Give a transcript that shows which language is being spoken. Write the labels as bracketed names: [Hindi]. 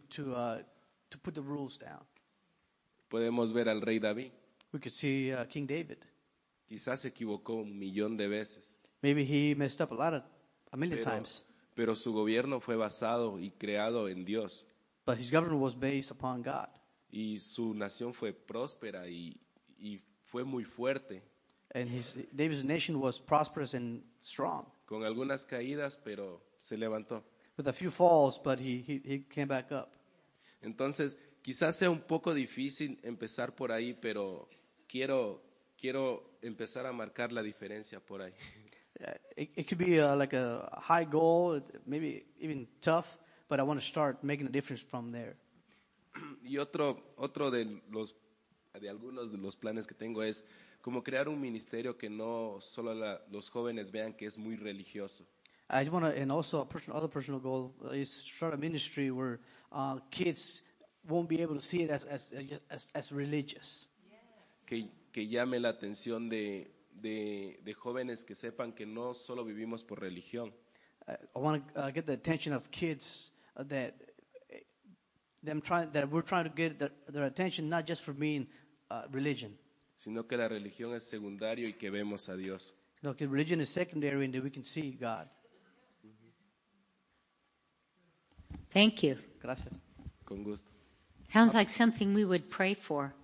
[English] Because God was the one that built the government for a purpose to put the rules down. [Spanish] Podemos ver al rey David. [English] We could see King David. [Spanish] Quizás se equivocó un millón de veces. [English] Maybe he messed up a million times. [Spanish] Pero su gobierno fue basado y creado en Dios. [English] But his government was based upon God. [Spanish] Y su nación fue próspera y fue muy fuerte. [English] And David's nation was prosperous and strong. [Spanish] Con algunas caídas, pero se levantó. [English] With a few falls, but he came back up. [Spanish] Entonces, quizás sea un poco difícil empezar por ahí, pero quiero empezar a marcar la diferencia por ahí. [English] It could be like a high goal, maybe even tough, but I want to start making a difference from there. [Spanish] Y otro de algunos de los planes que tengo es como crear un ministerio que no solo los jóvenes vean que es muy religioso. [English] I want to, and also another personal goal is start a ministry where kids won't be able to see it as religious. [Spanish] Que llame la atención de jóvenes que sepan que no solo vivimos por religión. [English] I want to get the attention of kids that we're trying to get their attention not just for being religion. [Spanish] Sino que la religión es secundario y que vemos a Dios. [English] No, because religion is secondary and that we can see God. Mm-hmm. Thank you. [Spanish] Gracias. Con gusto. [English] Sounds like something we would pray for.